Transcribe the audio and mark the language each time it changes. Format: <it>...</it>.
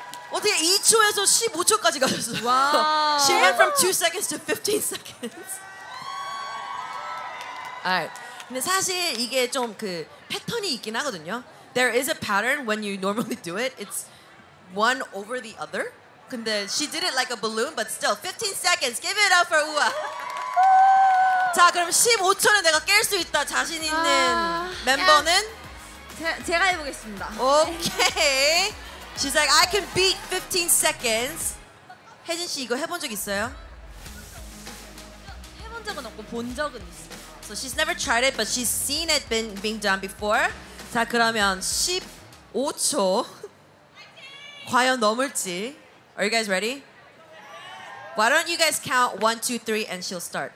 <ko>어떻게 2초에서 15초까지 가셨어? 와!</ko> <en>She went from 2 seconds to 15 seconds. Alright.</en> <ko>근데 사실 이게 좀 그 패턴이 있긴 하거든요.</ko> <en>There is a pattern when you normally do it. It's one over the other. 근데 she did it like a balloon, but still 15 seconds. Give it up for Ua.</en> <ko>자, 그럼 15초는 내가 깰 수 있다 자신 있는 멤버는? 제가 해보겠습니다.</ko> <en>Okay. She's like, I can beat 15 seconds.</en> <ko>혜진 씨 이거 해본 적 있어요? 해본 적은 없고 본 적은 있어요.</ko> <en>So she's never tried it, but she's seen it being done before.</en> <ko>자, 그러면 15초 과연 넘을지.</ko> <en>Are you guys ready? Why don't you guys count 1, 2, 3 and she'll start.</en>